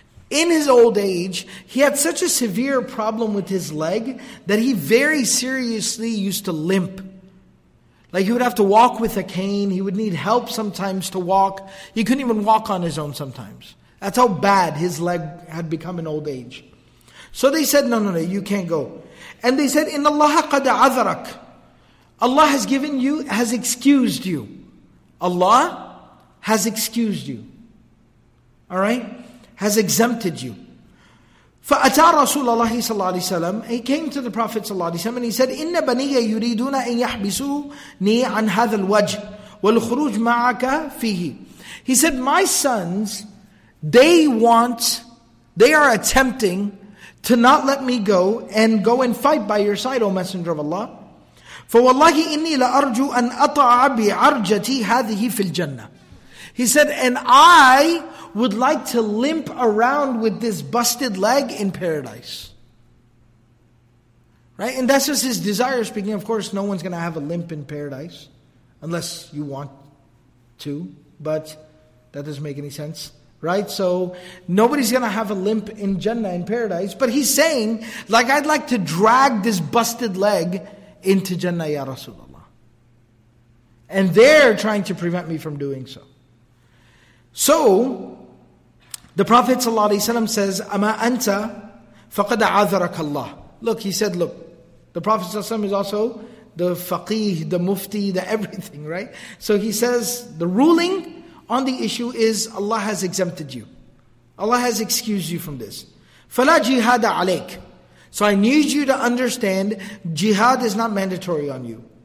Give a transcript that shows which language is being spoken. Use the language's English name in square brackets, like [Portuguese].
[English] In his old age, he had such a severe problem with his leg that he very seriously used to limp. Like he would have to walk with a cane, he would need help sometimes to walk. He couldn't even walk on his own sometimes. That's how bad his leg had become in old age. So they said, no, no, no, you can't go. And they said, [Arabic] إِنَّ اللَّهَ قَدْ عَذَرَكَ. [English] Allah has given you, has excused you. Allah has excused you. All right? Has exempted you. [Arabic] فَأَتَى رَسُولَ اللَّهِ صَلَّى اللَّهِ وَسَلَّمَ. [English] He came to the Prophet [Arabic] صلى الله عليه وسلم [English] and he said, [Arabic] إِنَّ بَنِيَّ يُرِيدُونَ أَن يَحْبِسُونِي عَنْ هَذَا الْوَجْهِ وَالْخُرُوجِ مَعَكَ فِيهِ. [English] He said, my sons, they are attempting to not let me go and fight by your side, O Messenger of Allah. [Arabic] فَوَاللَّهِ إِنِّي لَأَرْجُوْ أَنْ أَطَعَ بِعَرْجَتِي هَذِهِ فِي الْجَنَّةِ. [English] He said, and I would like to limp around with this busted leg in paradise. Right? And that's just his desire speaking. Of course, no one's going to have a limp in paradise unless you want to, but that doesn't make any sense. Right? So nobody's going to have a limp in Jannah, in paradise. But he's saying, like, I'd like to drag this busted leg into Jannah, Ya Rasulullah. And they're trying to prevent me from doing so. So the Prophet ﷺ says, [Arabic] أَمَا أَنْتَ فَقَدْ عَذَرَكَ اللَّهِ. [English] Look, he said, look, the Prophet ﷺ is also the faqih, the mufti, the everything, right? So he says, the ruling on the issue is Allah has exempted you. Allah has excused you from this. [Arabic] فَلَا جِهَادَ عَلَيْكَ. [English] So I need you to understand, jihad is not mandatory on you.